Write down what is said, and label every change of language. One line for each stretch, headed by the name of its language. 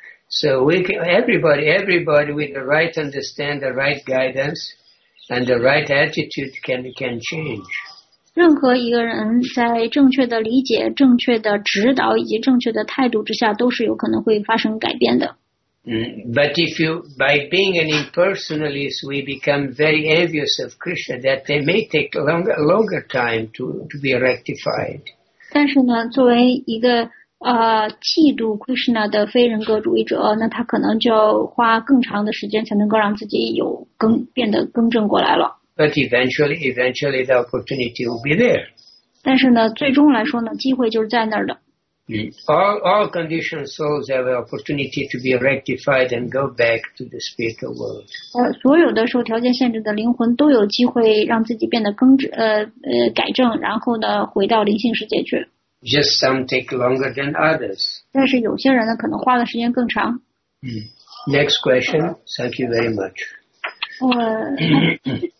English: So we can, everybody with the right understand, the right guidance, and the right attitude can change.
Chinese: 任何一个人在正确的理解、正确的指导以及正确的态度之下，都是有可能会发生改变的。
English: But if you, by being an impersonalist, we become very envious of Krishna that they may take longer time to be rectified.
Chinese: 但是呢，作为一个嫉妒 Krishna 的非人格主义者，那他可能就花更长的时间才能够让自己有变得更正过来了。
English: But eventually the opportunity will be there.
Chinese: 但是呢，最终来说呢，机会就是在那儿的。
English: All conditioned souls have an opportunity to be rectified and go back to the spiritual world.
Chinese: 所有的受条件限制的灵魂都有机会让自己变得改正，然后呢，回到灵性世界去。
English: Just some take longer than others.
Chinese: 但是有些人呢，可能花的时间更长。
English: Next question. Thank you very much.